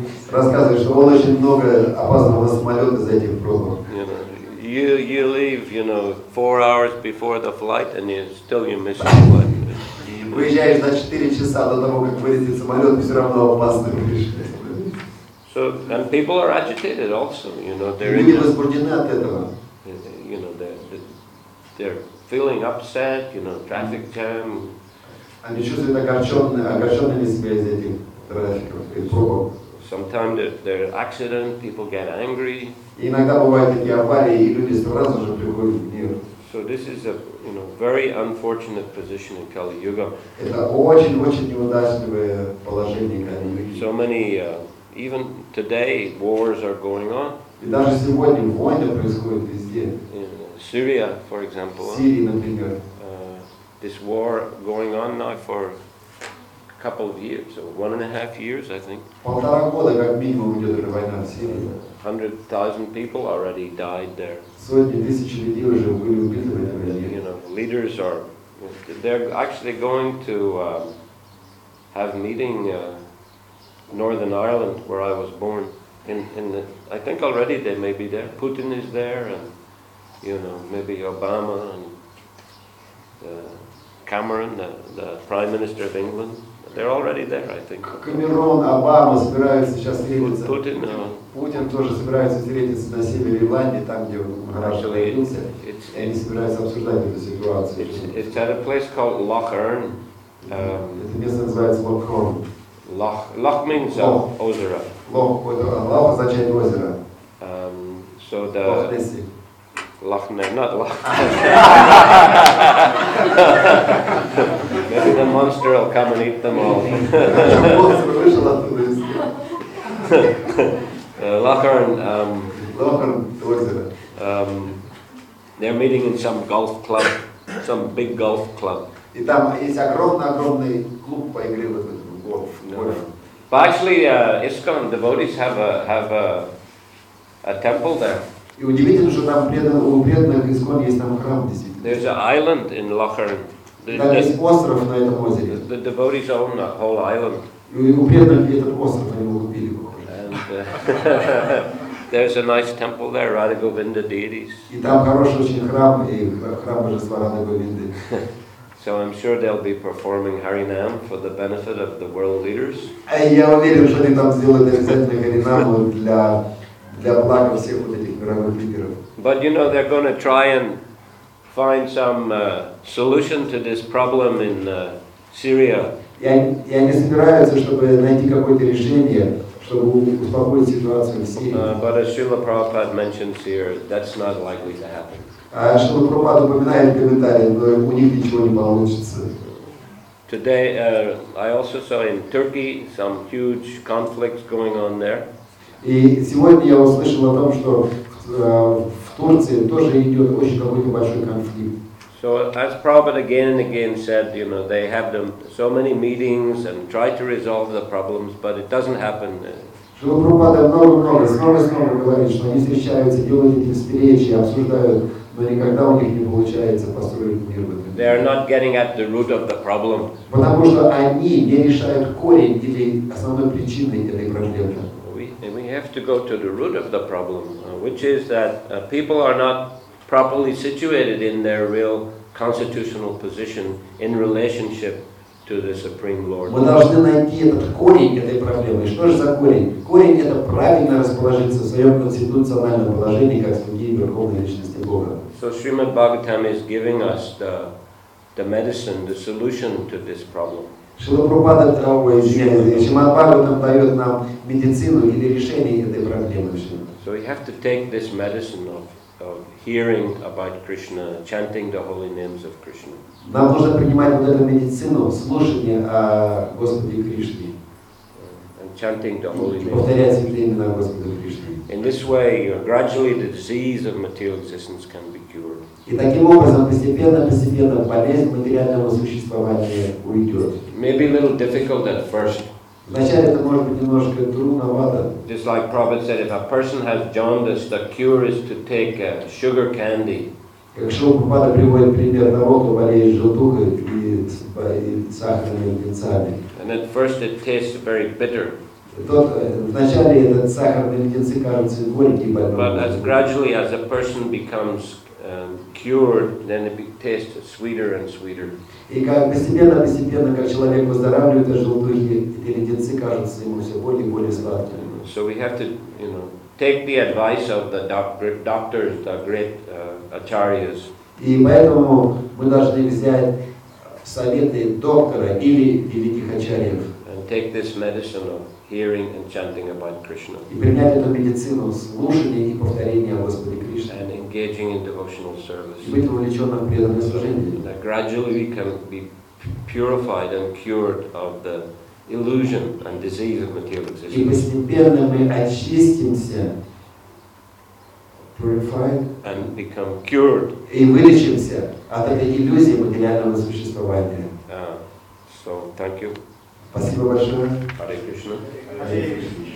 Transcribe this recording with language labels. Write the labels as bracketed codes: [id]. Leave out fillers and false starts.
[ru] Рассказывает, что он очень много опаздывал самолета за этих пробок. [en] You know, you leave, you know, 4 hours before the flight, and you still you miss your flight. [ru] Выезжаешь на 4 часа до того, как вылетит самолет, все равно опаздываешь. [en] So and people are agitated also, you know, they're [ru] люди возбуждены от этого. [en] You know, they're feeling upset, you know, traffic jam. [ru] Они чувствуют огорченными себя из этих трафиков и пробок. [en] Sometimes there are accidents, people get angry. [ru] Иногда бывают такие аварии, и люди сразу же приходят в гнев. [en] So this is a, you know, very unfortunate position in Kali Yuga. [ru] Это очень очень неудачное положение Кали Юги. [en] So many even today wars are going on. [ru] И даже сегодня войны происходят везде. [en] In Syria, for example. [ru] Сирии, например. [en] This war going on now for a couple of years, so 1.5 years, I think. [ru] Полтора года как минимум идет эта война в Сирии. [en] 100,000 people already died there. [ru] Сотни тысяч людей уже были убиты в этом районе. [en] You know, leaders are, they're actually going to have meeting Northern Ireland, where I was born. I think already they may be there. Putin is there, and you know, maybe Obama and Cameron, the Prime Minister of England. They're already there, I think. [ru] Камерон, Обама собираются сейчас встретиться. Путин, Путин тоже собирается встретиться на севере Ирландии, там, где он хорошо родился. И они собираются обсуждать эту ситуацию. [en] It's at a place called Lochearn. [ru] Это место называется Lochearn. [en] Loch means озеро. [ru] Лох означает озеро. [en] So the Lochness, not Loch. Maybe the monster will come and eat them all. Lochearn. They're meeting in some golf club, some big golf club. [ru] И там есть огромный клуб по игре в golf. [en] But actually, ISKCON devotees have a temple there. [ru] И удивительно, что там у преданных ИСКОН есть там храм действительно. [en] There's an island in Lochearn. [ru] Там есть остров на этом озере. [en] The devotees own the whole island. [ru] И у преданных этот остров они его купили, похоже. [en] And there's a nice temple there, Radha Govinda deities. [ru] И там хороший очень храм, и храм божества Радха Говинды. [en] So I'm sure they'll be performing Харинам for the benefit of the world leaders. [ru] Я уверен, что они там сделают обязательно Харинаму для блага всех вот этих мировых лидеров. [en] But you know, they're going to try and find some solution to this problem in Syria. [ru] Я не собираюсь, чтобы найти какое-то решение, чтобы успокоить ситуацию в Сирии. [en] But as Srila Prabhupada mentions here, that's not likely to happen. [ru] Шрила Прабхупада упоминает в комментариях, но у них ничего не получится. [en] Today, I also saw in Turkey some huge conflicts going on there. [ru] И сегодня я услышал о том, что в Турции тоже идет очень какой-то большой конфликт. [en] So as Prabhupada again and again said, you know, they have them so many meetings and try to resolve the problems, but it doesn't happen. [ru] Шрила Прабхупада много-много, снова-снова говорит, что они встречаются, делают эти встречи, обсуждают. Но никогда у них не получается построить мир в этом мире. [en] They are not getting at the root of the problem. [ru] Потому что они не решают корень или основной причины этой проблемы. [en] We have to go to the root of the problem, which is that people are not properly situated in their real constitutional position in relationship to the Supreme Lord. [ru] Мы должны найти этот корень этой проблемы. Что же за корень? Корень — это правильно расположиться в своем конституциональном положении как слуги Верховной Личности Бога. [en] So Srimad Bhagavatam is giving us the medicine, the solution to this problem. [ru] Шрила Прабхупада дает нам медицину или решение этой проблемы. [en] So we have to take this medicine of hearing about Krishna, chanting the holy names of Krishna. [ru] Нам нужно принимать вот эту медицину, слушание о Господе Кришне. [en] And chanting the holy name. [ru] Повторять святые имена Господа Кришны. [en] In this way, gradually the disease of material existence can be cured. [ru] И таким образом, постепенно болезнь материального существования уйдет. [en] Maybe a little difficult at first. [ru] Вначале это может быть немножко трудновато. [en] Just like Prabhupada said, if a person has jaundice, the cure is to take sugar candy. [ru] Как Шрила Прабхупада приводит пример того, кто болеет желтухой и сахарными леденцами. [en] And at first it tastes very bitter. [ru] Вначале этот сахарный леденцы кажутся горьким больным. [en] But as gradually as a person becomes cured, then it tastes sweeter and sweeter. [ru] И как постепенно, как человек выздоравливает от желтухи, эти леденцы кажутся ему все более и более сладкими. [en] So we have to, you know, take the advice of the doctors, the great acharyas. [ru] И поэтому мы должны взять советы доктора или великих ачарьев. [en] And take this medicine of hearing and chanting about Krishna. [ru] И принять эту медицину слушания и повторения о Господе Кришне. [en] And engaging in devotional service. [ru] И быть вовлечённым в преданное служение. [en] That gradually we can be purified and cured of the illusion and disease of material existence. [ru] И постепенно мы очистимся. [en] Purified and become cured. [ru] И вылечимся от этой иллюзии материального существования. [en] So thank you. [ru] Спасибо большое. [sa] Hare Krishna. Hare Krishna.